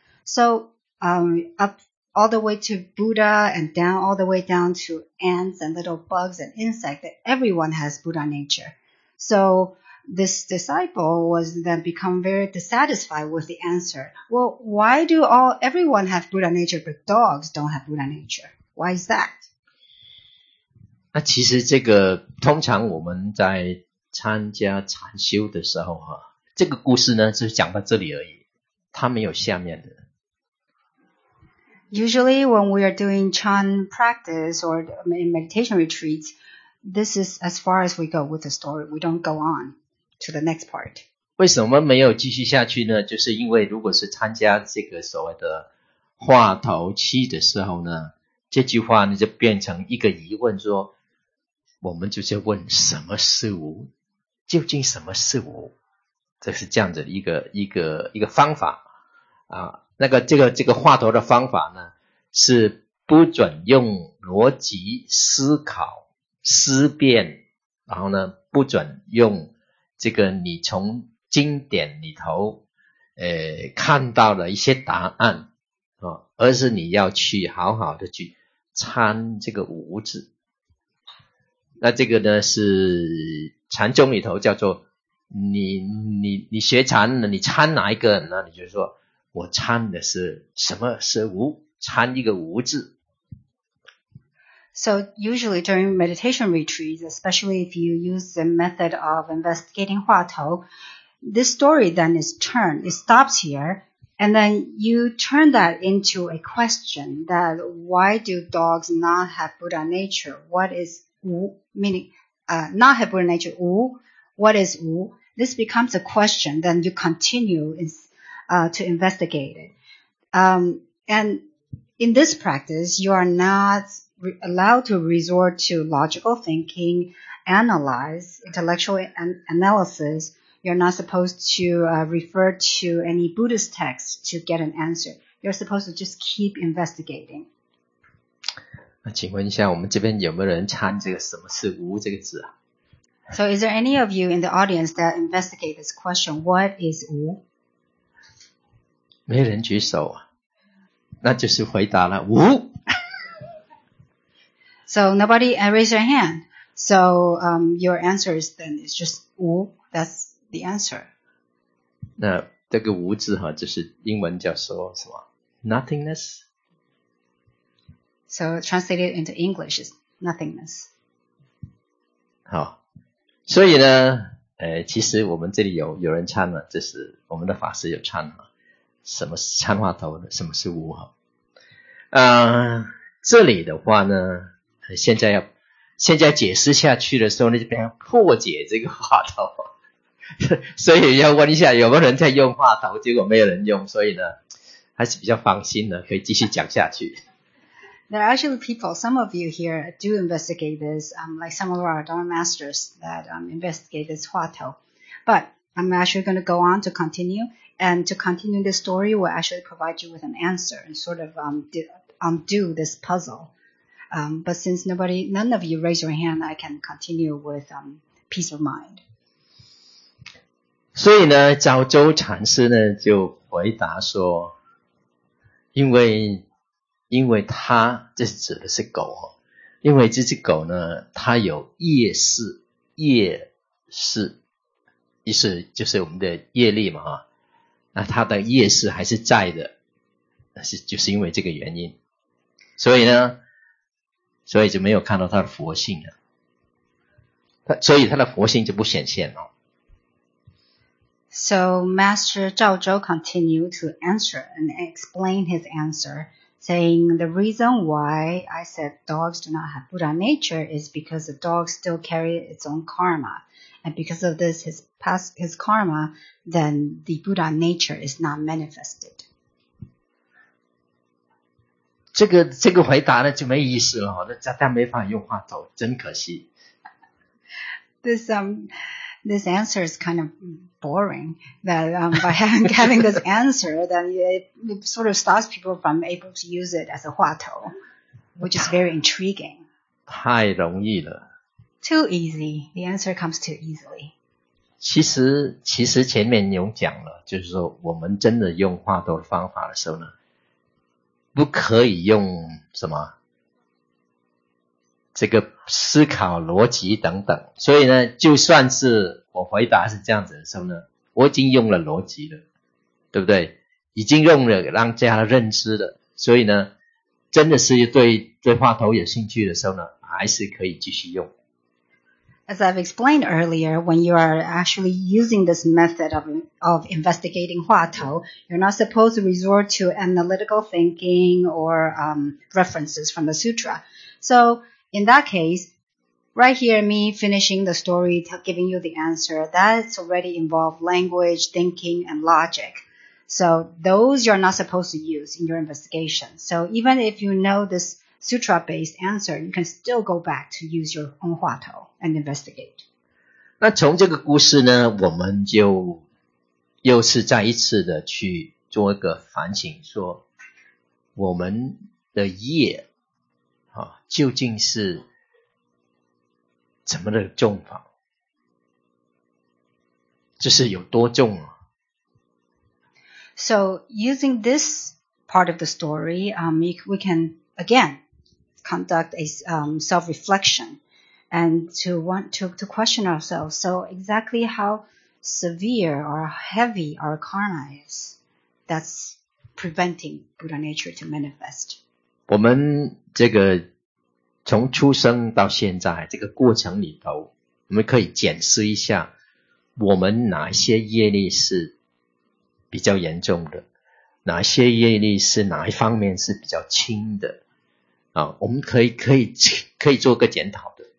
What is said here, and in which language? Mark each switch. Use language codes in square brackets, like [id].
[en] So, up all the way to Buddha and down all the way down to ants and little bugs and insects, that everyone has Buddha nature. So, this disciple was then become very dissatisfied with the answer. Well, why do everyone have Buddha nature, but dogs don't have Buddha nature? Why is that? [zh] 那其实这个通常我们在参加禅修的时候啊，这个故事呢就讲到这里而已，它没有下面的。 [en] Usually when we are doing Chan practice or meditation retreats, this is as far as we go with the story. We don't go on to the next part. [zh] 为什么没有继续下去呢？就是因为如果是参加这个所谓的化头期的时候呢，这句话呢就变成一个疑问，说我们就在问什么是无，究竟什么是无，这是这样子的一个方法啊。那个这个话头的方法呢，是不准用逻辑思考思辨，然后呢不准用这个你从经典里头看到了一些答案啊，而是你要去好好的去参这个无字。那这个呢是禅宗里头叫做你学禅呢，你参哪一个，那你就说我参的是什么是无，参一个无字。 [en] So usually during meditation retreats, especially if you use the method of investigating 话头, this story then is turned, it stops here, and then you turn that into a question, that why do dogs not have Buddha nature? What is 无, meaning not have Buddha nature, 无, what is 无? This becomes a question, then you continue to investigate it. And in this practice, you are not allowed to resort to logical thinking, analyze, intellectual analysis. You're not supposed to refer to any Buddhist text to get an answer. You're supposed to just keep investigating. [zh] 那请问一下，我们这边有没有人参这个什么是无这个字啊？ [en] So is there any of you in the audience that investigate this question? What is 无？ [zh] 没人举手，那就是回答了无。 [en] So nobody raised their hand. So your answer is then it's just 无。 That's the answer. [zh] 那这个无字哈，就是英文叫说什么 ？Nothingness. [en] So translated into English is nothingness. [zh] 好，所以呢，其实我们这里有人唱了，就是我们的法师有唱了。什么是参话头的？什么是无哈？这里的话呢，现在解释下去的时候呢，就变成破解这个话头，所以要问一下有没有人在用话头，结果没有人用，所以呢，还是比较放心的，可以继续讲下去。 [en] There are actually people, some of you here do investigate this, like some of our Dharma masters that investigate this 话头 but I'm actually going to go on to continue. And to continue this story, we'll actually provide you with an answer and sort of undo this puzzle. But since none of you raise your hand, I can continue with peace of mind. [zh] 所以呢，早周禅师呢就回答说，因为他这指的是狗，因为这只狗呢，它有业识，业识，意思就是我们的业力嘛，那他的业识还是在的，就是因为这个原因，所以就没有看到他的佛性了，所以他的佛性就不显现了。 [en] So Master Zhao Zhou continued to answer and explain his answer, saying the reason why I said dogs do not have Buddha nature is because the dog still carry its own karma. And because of this, his karma, then the Buddha nature is not manifested. [zh] 这个回答呢就没意思了，那他没法用话头，真可惜。 [en] This answer is kind of boring. That by having this answer, then it sort of stops people from able to use it as a 话头, which is very intriguing. [zh] 太容易了。 [en] Too easy. The answer comes too easily. [zh] 其实前面有讲了，就是说我们真的用话头的方法的时候呢，不可以用什么这个思考逻辑等等。所以呢，就算是我回答是这样子的时候呢，我已经用了逻辑了，对不对？已经用了让大家认知了。所以呢，真的是对话头有兴趣的时候呢，还是可以继续用。 [en] As I've explained earlier, when you are actually using this method of investigating 话头, you're not supposed to resort to analytical thinking or references from the sutra. So in that case, right here, me finishing the story, giving you the answer, that's already involved language, thinking, and logic. So those you're not supposed to use in your investigation. So even if you know this sutra-based answer, you can still go back to use your own 话头. And investigate. [zh] 那从这个故事呢，我们就又是再一次的去做一个反省，说我们的业啊，究竟是怎么的重法，就是有多重啊。 [en] So using this part of the story, we can again conduct a self-reflection. And to question ourselves, so exactly how severe or heavy our karma is that's preventing Buddha nature to manifest. [zh] 我们这个从出生到现在这个过程里头，我们可以检视一下我们哪些业力是比较严重的，哪些业力是哪一方面是比较轻的啊，我们可以做个检讨。